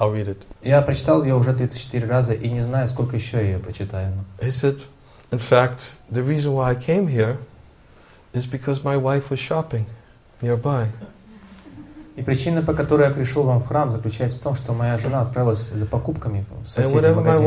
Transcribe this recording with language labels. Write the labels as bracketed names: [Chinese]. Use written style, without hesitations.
[English] I'll read it. [Russian] Я прочитал ее уже 34 раза, и не знаю, сколько еще я ее прочитаю. [English] He said, in fact, the reason why I came here is because my wife was shopping nearby. [Russian] И причина, по которой я пришел вам в храм, заключается в том, что моя жена отправилась за покупками в соседний магазин.